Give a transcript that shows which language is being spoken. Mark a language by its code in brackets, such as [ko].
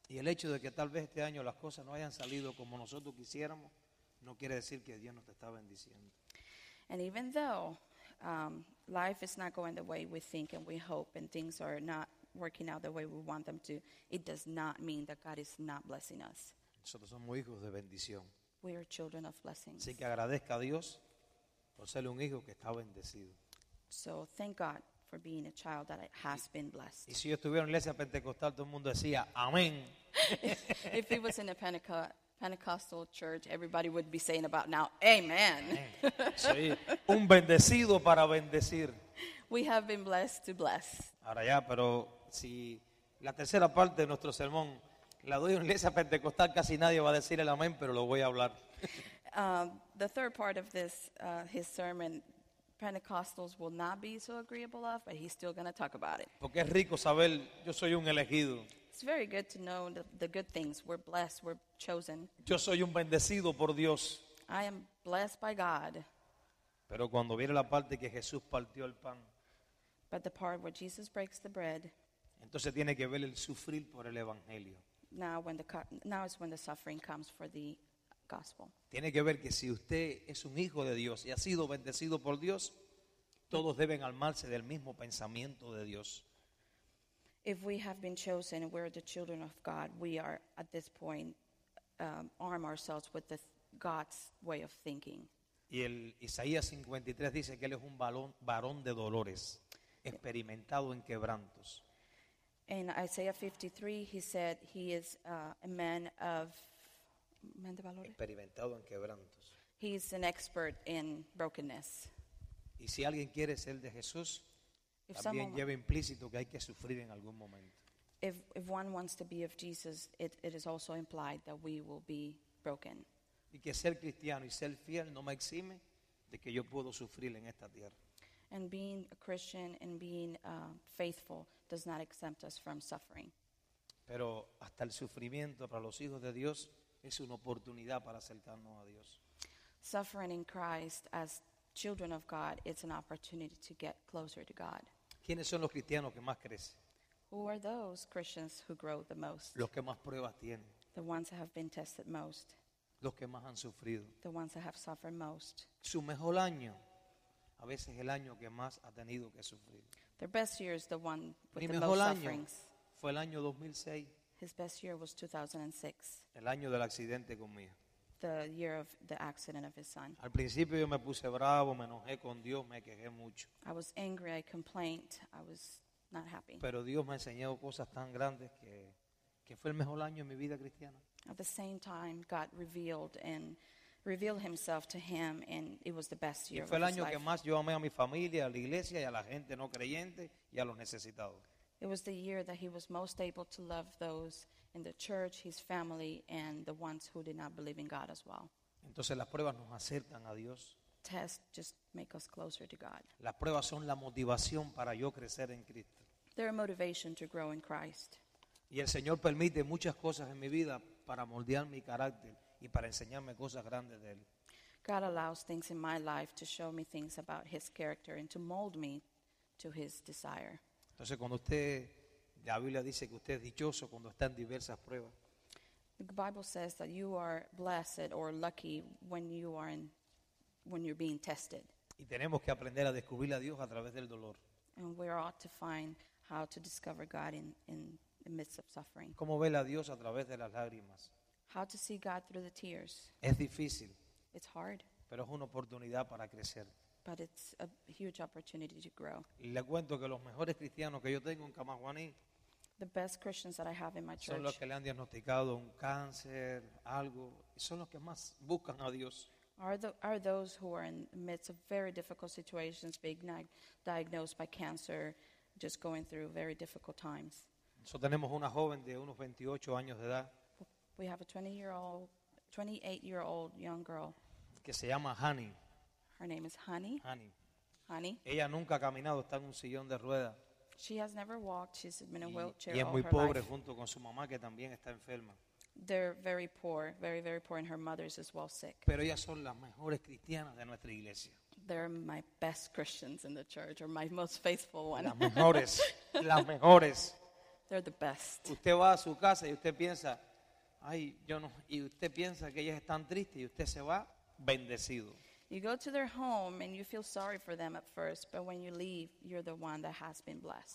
[es] Y el hecho de que tal vez este año las cosas no hayan salido como nosotros quisiéramos, no quiere decir que Dios nos está bendiciendo. [en] And even though life is not going the way we think and we hope and things are not working out the way we want them to, it does not mean that God is not blessing us. [es] Nosotros somos hijos de bendición. [en] We are children of blessings. [es] Así que agradezca a Dios por ser un hijo que está bendecido. [en] So thank God for being a child that has been blessed. [es] Y si yo estuviera en la iglesia pentecostal, todo el mundo decía, amén. [en] If it was in a Pentecostal church, everybody would be saying about now, amen. [es] Sí, un bendecido para bendecir. [en] We have been blessed to bless. [es] Ahora ya, pero si la tercera parte de nuestro sermón la doy a una iglesia pentecostal, casi nadie va a decir el amén, pero lo voy a hablar. [en] The third part of this, his sermon, Pentecostals will not be so agreeable of, but he's still going to talk about it. [es] Porque es rico saber, yo soy un elegido. [en] It's very good to know the good things. We're blessed, we're chosen. [es] Yo soy un bendecido por Dios. [en] I am blessed by God. [es] Pero cuando viene la parte que Jesús partió el pan, [en] but the part where Jesus breaks the bread. [es] Entonces tiene que ver el sufrir por el evangelio. [en] Now is when the suffering comes for the gospel. [es] Tiene que ver que si usted es un hijo de Dios y ha sido bendecido por Dios, todos deben armarse del mismo pensamiento de Dios. [en] If we have been chosen, we're the children of God, we are at this point arm ourselves with God's way of thinking. [es] Y el Isaías 53 dice que él es un varón de dolores, experimentado en quebrantos. [en] In Isaiah 53, he said he is a man [es] de valores. Experimentado en quebrantos. [en] He is an expert in brokenness. [es] Y si alguien quiere ser de Jesús, también lleva implícito que hay que sufrir en algún momento. [en] If one wants to be of Jesus, it is also implied that we will be broken. [es] Y que ser cristiano y ser fiel no me exime de que yo puedo sufrir en esta tierra. [en] And being a Christian and being faithful does not exempt us from suffering. [es] Pero hasta el sufrimiento para los hijos de Dios es una oportunidad para acercarnos a Dios. [en] Suffering in Christ as children of God, it's an opportunity to get closer to God. [es] ¿Quiénes son los cristianos que más crecen? [en] Who are those Christians who grow the most? [es] Los que más pruebas tienen. [en] The ones that have been tested most. [es] Los que más han sufrido. [en] The ones that have suffered most. [es] Su mejor año, a veces el año que más ha tenido que sufrir. [en] Their best year is the one with [es] Mi [en] the most sufferings. [es] Fue el año 2006. [en] His best year was 2006. [es] El año del accidente conmigo. [en] The year of the accident of his son. [es] Al principio yo me puse bravo, me enojé con Dios, me quejé mucho. [en] I was angry, I complained, I was not happy. [es] Pero Dios me ha enseñado cosas tan grandes que fue el mejor año de mi vida cristiana. [en] At the same time, God revealed and revealed himself to him, and it was the best year of his life. [es] Fue el año que más yo amé a mi familia, a la iglesia y a la gente no creyente y a los necesitados. [en] It was the year that he was most able to love those in the church, his family, and the ones who did not believe in God as well. [es] Entonces las pruebas nos acercan a Dios. [en] Tests just make us closer to God. [es] Las pruebas son la motivación para yo crecer en Cristo. [en] They're a motivation to grow in Christ. [es] Y el Señor permite muchas cosas en mi vida para moldear mi carácter y para enseñarme cosas grandes de Él. [en] God allows things in my life to show me things about his character and to mold me to his desire. [es] Entonces cuando usted, la Biblia dice que usted es dichoso cuando está en diversas pruebas. [en] The Bible says that you are blessed or lucky when you are in, when you're being tested. [es] Y tenemos que aprender a descubrir a Dios a través del dolor. [en] And we ought to find how to discover God in the midst of suffering. [es] ¿Cómo ver a Dios a través de las lágrimas? [en] How to see God through the tears. [es] Es difícil. [en] It's hard. [es] Pero es una oportunidad para crecer. [en] But it's a huge opportunity to grow. [es] Le cuento que los mejores cristianos que yo tengo en Camaguaní, [en] the best Christians that I have in my church, [es] son los que le han diagnosticado un cáncer, algo, son los que más buscan a Dios. [en] Are those who are in the midst of very difficult situations, being diagnosed by cancer, just going through very difficult times. [es] So tenemos una joven de unos 28 años de edad. [en] We have a 28-year-old young girl [es] que se llama Honey. [en] Her name is Honey. Honey. Honey. [es] Ella nunca ha caminado, está en un sillón de ruedas. [en] She has never walked. She's been in a wheelchair. [es] Y es muy pobre junto con su mamá que también está enferma. [en] They're very poor, very very poor, and her mother is as well sick. [es] Pero ellas son las mejores cristianas de nuestra iglesia. [en] They're my best Christians in the church, or my most faithful ones. [es] Las mejores, las mejores. [en] They're the best. [es] Usted va a su casa y usted piensa, ay, yo no. Y usted piensa que ellas están tristes y usted se va bendecido. [en] You go to their home and you feel sorry for them at first, but when you leave, you're the one that has been blessed.